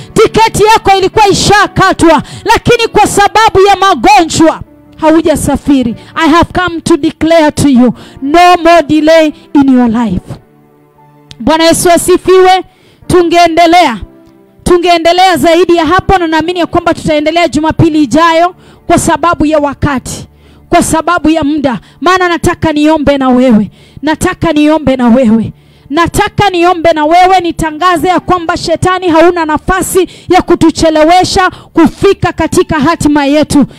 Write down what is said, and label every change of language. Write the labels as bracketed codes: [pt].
[sw] Tiketi yako ilikuwa ishakatwa, lakini kwa sababu ya magonjwa haujasafiri. [en] I have come to declare to you, no more delay in your life. [sw] Bwana Yesu asifiwe. Tungeendelea. Tungeendelea zaidi ya hapo, na naamini ya kwamba tutaendelea Jumapili ijayo kwa sababu ya wakati, kwa sababu ya muda. Maana nataka niombe na wewe. Nataka niombe na wewe. Nataka niombe na wewe, nitangaze ya kwamba shetani hauna nafasi ya kutuchelewesha kufika katika hatima yetu.